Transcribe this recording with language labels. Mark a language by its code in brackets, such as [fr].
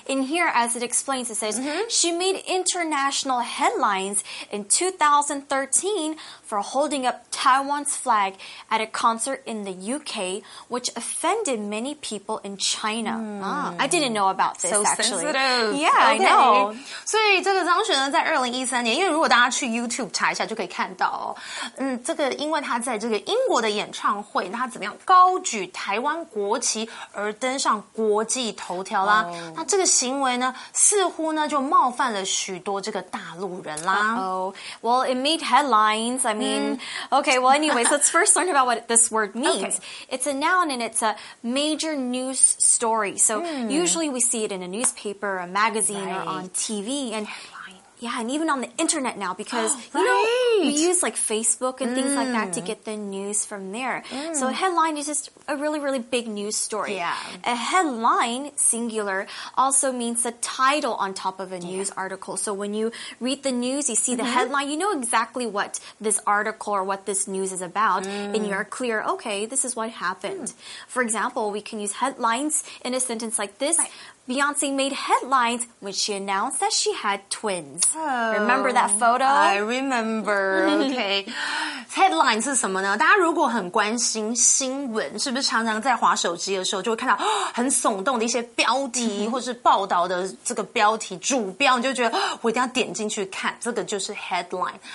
[en] In here, as it explains, it says,、mm-hmm. she made international headlines in 2013 for holding up Taiwan's flag at a concert in the UK, which offended many people in China. I didn't know about this, actually. So sensitive. Yeah, okay. I know. [zh] 所以这个张悬呢，在2013年，因为如果大家去 YouTube 查一下就可以看到哦，这个因为他在这个英国的演唱会，他怎么样高举台湾国旗而登上国际头条啦。 [en] Oh. [zh] 那这个行为呢，似乎呢就冒犯了许多这个大陆人啦。 [en] Well, it made headlines. I mean, okay, well, anyways, let's first learn about what this word means. Okay. It's a noun and it's a major news story. So usually we see it in a newspaper, a magazine, or on TV. And, yeah, and even on the internet now because, you know, we use like Facebook and things like that to get the news from there. So a headline is just a really, really big news story. Yeah. A headline, singular, also means the title on top of a news article. So when you read the news, you see the headline, you know exactly what this article or what this news is about. And you're clear, okay, this is what happened. For example, we can use headlines in a sentence like this. Right. Beyonce made headlines when she announced that she had twins. Oh, remember that photo? I remember. Okay. [zh] Headline 是什么呢？大家如果很关心新闻，是不是常常在滑手机的时候就会看到、哦、很耸动的一些标题、或是报道的这个标题主标，你就觉得、哦、我一定要点进去看，这个就是 headline。